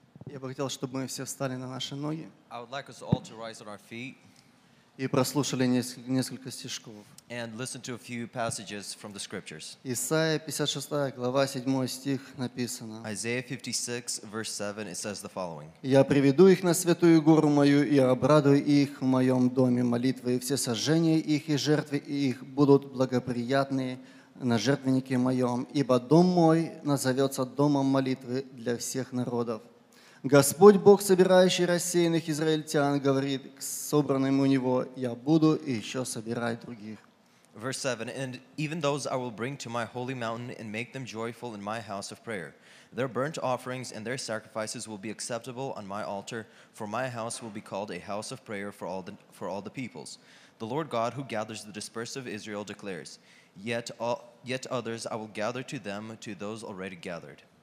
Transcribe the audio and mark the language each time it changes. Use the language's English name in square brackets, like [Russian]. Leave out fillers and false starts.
[Russian] Я бы хотел, чтобы мы все встали на наши ноги. [English] I would like us all to rise on our feet. [Russian] И прослушали несколько стишков. [English] And listen to a few passages from the scriptures. [Russian] Исайя 56, глава 7 стих написано. [English] Isaiah 56, verse 7, it says the following. [Russian] Я приведу их на святую гору мою и обрадую их в моем доме молитвы. Все сожжения их и жертвы их будут благоприятные на жертвеннике моем, ибо дом мой назовется домом молитвы для всех народов. Господь Бог, собирающий рассеянных израильтян, говорит к собранным у него, я буду еще собирать других. [English] Verse 7, and even those I will bring to my holy mountain and make them joyful in my house of prayer. Their burnt offerings and their sacrifices will be acceptable on my altar, for my house will be called a house of prayer for all the peoples. The Lord God who gathers the dispersed of Israel declares, Yet others I will gather to them, to those already gathered.